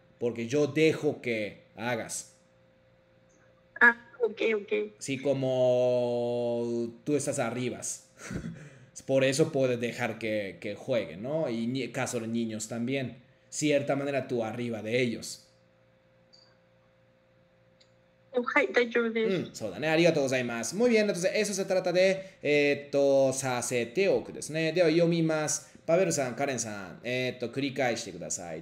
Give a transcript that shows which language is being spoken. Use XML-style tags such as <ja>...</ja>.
<es>Porque yo dejo que hagas. Ah, ok, ok. Sí, como tú estás arriba. Por eso puedes dejar que juegue, ¿no? Y en caso de niños también. Cierta manera tú arriba de ellos.</es> <ja>はい、大丈夫です。うん、そうだね。ありがとうございます。</ja> <es>Muy bien, entonces, eso se trata de,</es> <ja>させておくですね。では、読みます。パベルさん、カレンさん、繰り返してください。</ja>